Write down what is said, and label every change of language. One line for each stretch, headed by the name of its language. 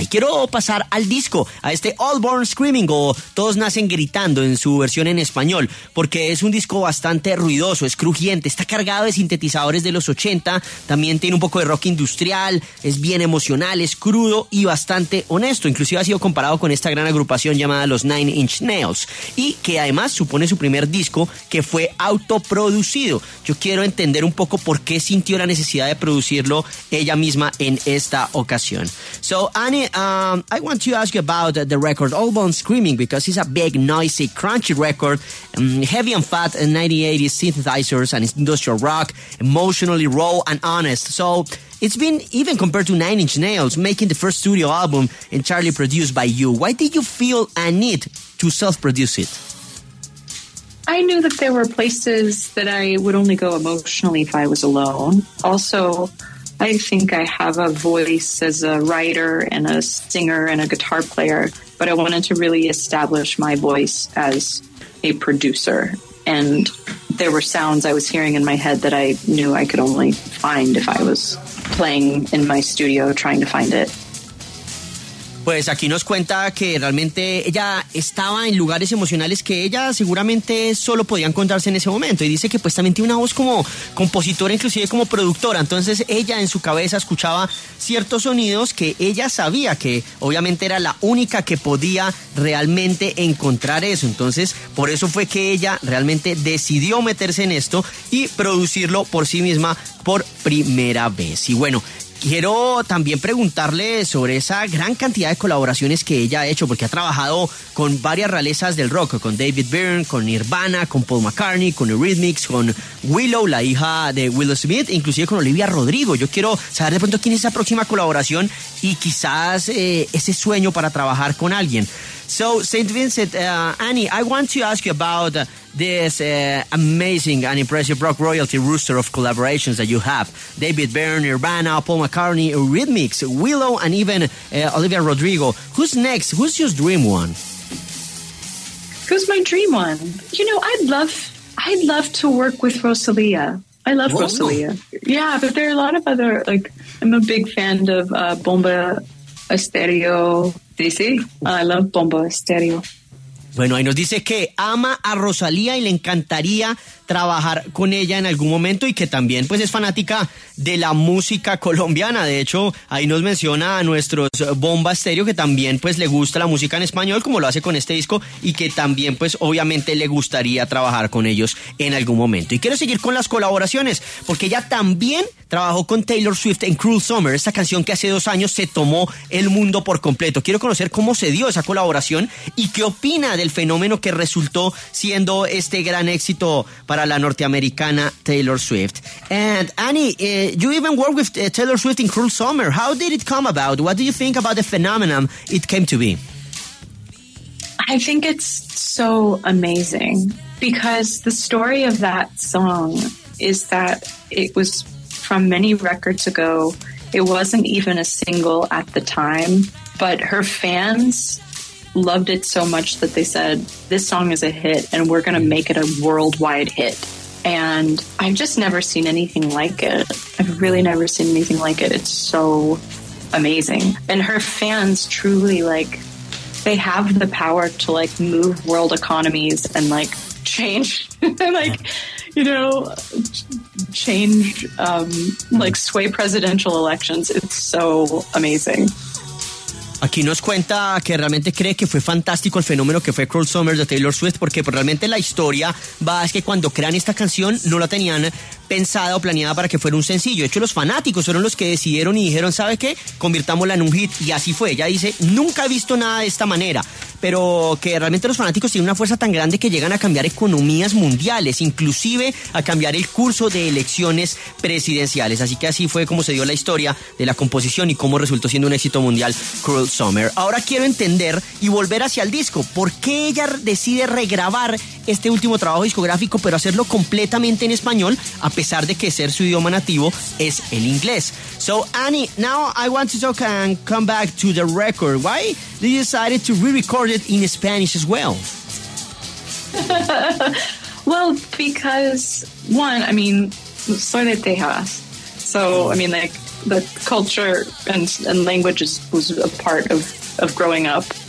Spanish: Y quiero pasar al disco, a este All Born Screaming o Todos Nacen Gritando en su versión en español, porque es un disco bastante ruidoso, es crujiente, está cargado de sintetizadores de los 80, también tiene un poco de rock industrial, es bien emocional, es crudo y bastante honesto. Inclusive ha sido comparado con esta gran agrupación llamada los Nine Inch Nails, y que además supone su primer disco que fue autoproducido. Yo quiero entender un poco por qué sintió la necesidad de producirlo ella misma en esta ocasión.
English: So, Annie, I want to ask you about the record All Born Screaming, because it's a big, noisy, crunchy record, heavy and fat, 1980s synthesizers and industrial rock, emotionally raw and honest. So, it's been even compared to Nine Inch Nails, making the first studio album entirely produced by you. Why did you feel a need to self-produce it? I knew that there were places that I would only go emotionally if I was alone. Also, I think I have a voice as a writer and a singer and a guitar player, but I wanted to really establish my voice as a producer. And there were sounds I was hearing in my head that I knew I could only find if I was playing in my studio trying to find it.
Spanish: Pues aquí nos cuenta que realmente ella estaba en lugares emocionales que ella seguramente solo podía encontrarse en ese momento. Y dice que pues también tiene una voz como compositora, inclusive como productora. Entonces ella en su cabeza escuchaba ciertos sonidos que ella sabía que obviamente era la única que podía realmente encontrar eso. Entonces por eso fue que ella realmente decidió meterse en esto y producirlo por sí misma por primera vez. Y bueno, quiero también preguntarle sobre esa gran cantidad de colaboraciones que ella ha hecho, porque ha trabajado con varias realezas del rock, con David Byrne, con Nirvana, con Paul McCartney, con Eurythmics, con Willow, la hija de Will Smith, e inclusive con Olivia Rodrigo. Yo quiero saber de pronto quién es esa próxima colaboración y quizás ese sueño para trabajar con alguien.
English: So, St. Vincent, Annie, I want to ask you about this amazing and impressive rock royalty roster of collaborations that you have. David Byrne, Nirvana, Paul McCartney, Eurythmics, Willow, and even Olivia Rodrigo. Who's next? Who's your dream one? Who's my dream one? You know, I'd love to work with Rosalía. I love Rosalía. Yeah, but there are a lot of other, like, I'm a big fan of Bomba Estéreo.
Spanish: Sí,
English: I love Bomba Estéreo.
Spanish: Bueno, ahí nos dice que ama a Rosalía y le encantaría trabajar con ella en algún momento y que también pues es fanática de la música colombiana. De hecho, ahí nos menciona a nuestros Bomba Estéreo que también pues le gusta la música en español como lo hace con este disco y que también pues obviamente le gustaría trabajar con ellos en algún momento. Y quiero seguir con las colaboraciones porque ella también trabajó con Taylor Swift en Cruel Summer, esa canción que hace 2 años se tomó el mundo por completo. Quiero conocer cómo se dio esa colaboración y qué opina del fenómeno que resultó siendo este gran éxito para la norteamericana Taylor Swift. And Annie, you even worked with Taylor Swift in Cruel Summer. How did it come about? What do you think about the phenomenon it came to be? I think it's so amazing because the story of that song is that it was from many records ago. It wasn't even a single at the time, but her fans loved it so much that they said, this song is a hit and we're going to make it a worldwide hit. And I've just never seen anything like it. I've really never seen anything like it. It's so amazing. And her fans truly, like, they have the power to, like, move world economies and, like, change, like, you know, change, like, sway presidential elections. It's so amazing. Aquí nos cuenta que realmente cree que fue fantástico el fenómeno que fue Cruel Summer de Taylor Swift, porque realmente la historia va es que cuando crean esta canción no la tenían pensada o planeada para que fuera un sencillo. De hecho, los fanáticos fueron los que decidieron y dijeron, ¿sabe qué? Convirtámosla en un hit. Y así fue. Ella dice, nunca he visto nada de esta manera. Pero que realmente los fanáticos tienen una fuerza tan grande que llegan a cambiar economías mundiales, inclusive a cambiar el curso de elecciones presidenciales. Así que así fue como se dio la historia de la composición y cómo resultó siendo un éxito mundial Cruel Summer. Ahora quiero entender y volver hacia el disco. ¿Por qué ella decide regrabar este último trabajo discográfico, pero hacerlo completamente en español, a pesar de que ser su idioma nativo es el inglés?
English: So, Annie, now I want to talk and come back to the record. Why did you decide to re-record it in Spanish as well? Well, because, one, I mean,
Spanish: soy de Texas.
English: So, I mean, like, the culture and language was a part of growing up.